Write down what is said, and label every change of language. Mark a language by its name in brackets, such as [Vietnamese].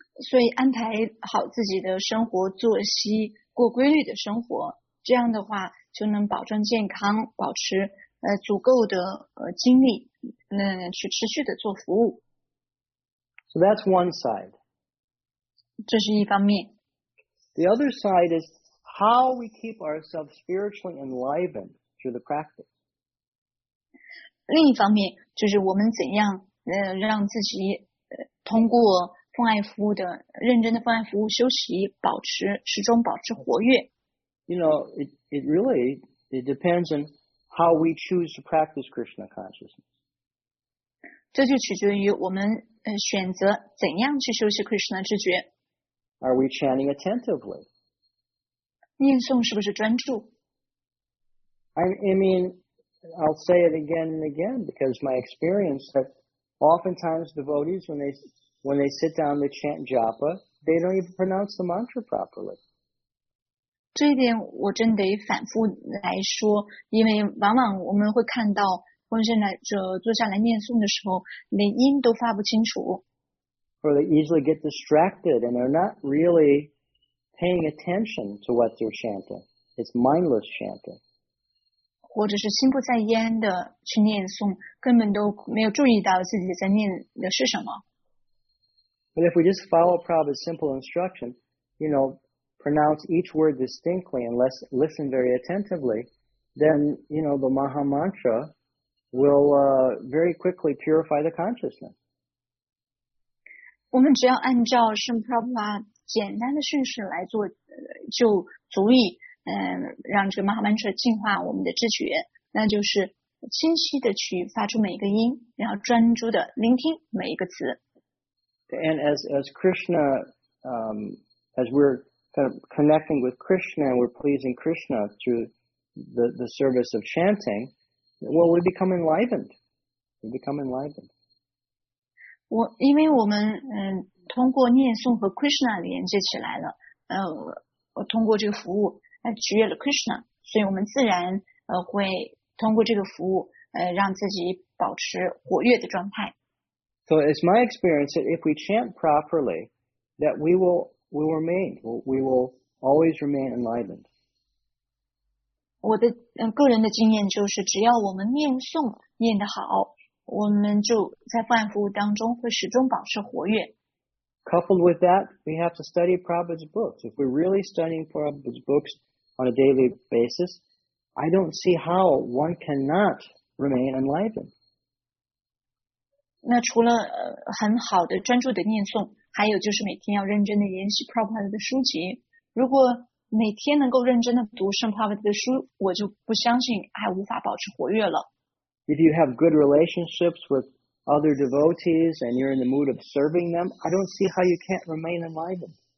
[Chinese] 所以安排好自己的生活作息，过规律的生活，这样的话就能保证健康，保持足够的精力，去持续的做服务。 [English] So that's one side. [Chinese] 这是一方面。 [English] The other side is how we keep ourselves spiritually enlivened through the practice. [Chinese] 另一方面，就是我们怎样让自己通过认真的奉爱服务修习，始终保持活跃。 [English] It depends on how we choose to practice Krishna consciousness. [Chinese] 这就取决于我们选择怎样去修习 Krishna 知觉。 [English] Are we chanting attentively? [Chinese] 念诵是不是专注？ [English] I'll say it again and again because my experience that oftentimes devotees, when they sit down to chant japa, they don't even pronounce the mantra properly. [Chinese] 这一点我真得反复来说，因为往往我们会看到奉献者坐下来念诵的时候，连音都发不清楚。 [English] Or they easily get distracted and they're not really paying attention to what they're chanting. It's mindless chanting. [Chinese] 或者是心不在焉的去念诵，根本都没有注意到自己在念的是什么。 [English] But if we just follow Prabhupada's simple instruction, pronounce each word distinctly and listen very attentively, then, the Maha Mantra will very quickly purify the consciousness. [Chinese] 我们只要按照圣帕帕简单的训示来做，就足以让这个 Maha Mantra 净化我们的知觉，那就是清晰的去发出每一个音，然后专注的聆听每一个词。 [English] And as Krishna, as we're kind of connecting with Krishna and we're pleasing Krishna through the service of chanting, well, we become enlivened. We become enlivened. [Chinese] 因为我们通过念诵和 Krishna 连接起来了，我通过这个服务。取悦了 Krishna， 所以我们自然会通过这个服务让自己保持活跃的状态。 [English] So it's my experience that if we chant properly, that we will always remain enlivened. [Chinese] 我的个人的经验就是，只要我们念诵念得好，我们就在奉爱服务当中会始终保持活跃。 [English] Coupled with that, we have to study Prabhupada's books. If we're really studying Prabhupada's books. On a daily basis, I don't see how one cannot remain enlivened. [Chinese] 那除了很好的专注的念诵，还有就是每天要认真的研习 Prabhupada 的书籍。如果每天能够认真的读圣帕瓦迪的书，我就不相信还无法保持活跃了。 [English] If you have good relationships with other devotees and you're in the mood of serving them, I don't see how you can't remain enlivened.